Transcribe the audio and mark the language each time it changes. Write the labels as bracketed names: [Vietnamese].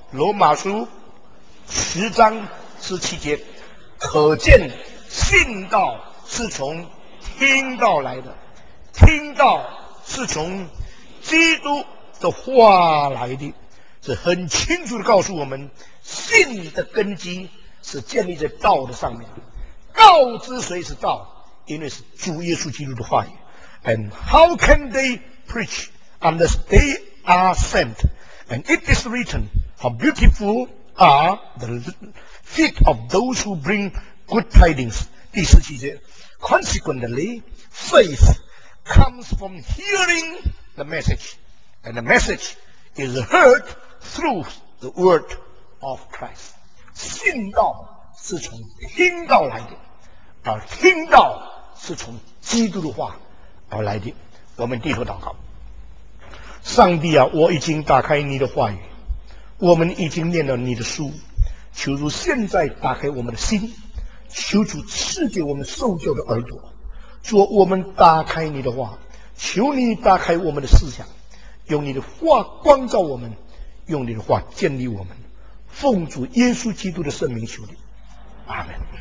[Chinese] 罗马书十章十七节，可见信道是从听道来的，听道是从基督的话来的。是很清楚地告诉我们，信的根基是建立在道的上面。道之所以是道，因为是主耶稣基督的话语。 [English] And how can they preach unless they are sent? And it is written, how beautiful are the feet of those who bring good tidings. [Chinese] 第四节， [English] Consequently, faith comes from hearing the message, and the message is heard through the word of Christ. [Chinese] 信道是从听道来的，而听道是从基督的话而来的。我们低头祷告。上帝啊，我已经打开你的话语，我们已经念了你的书，求主现在打开我们的心，求主赐给我们受教的耳朵，主我们打开你的话，求你打开我们的思想，用你的话光照我们，用你的话建立我们，奉主耶稣基督的圣名求你，阿们。